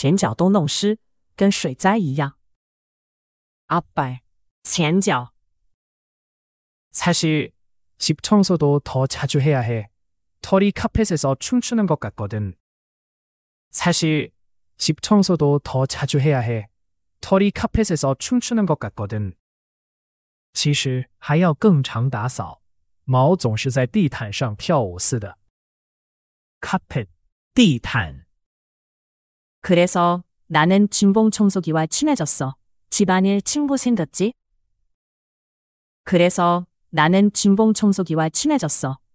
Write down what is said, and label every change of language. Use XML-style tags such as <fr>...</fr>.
<zh>我家的狗也一样,有时喝水,还把前脚都弄湿,跟水灾一样.</zh> <ko>앞발, 前脚. 사실 집 청소도 더 자주 해야 해. 털이 카펫에서 춤추는 것 같거든. 사실 집 청소도 더 자주 해야 해. 털이 카펫에서 춤추는 것 같거든.</ko> <zh>其实还要更常打扫,毛总是在地毯上跳舞似的.</zh> <ko>카펫, 地毯. 그래서 나는 진공 청소기와 친해졌어. 집안일 친구 생겼지? 그래서 나는 진공 청소기와 친해졌어.</ko>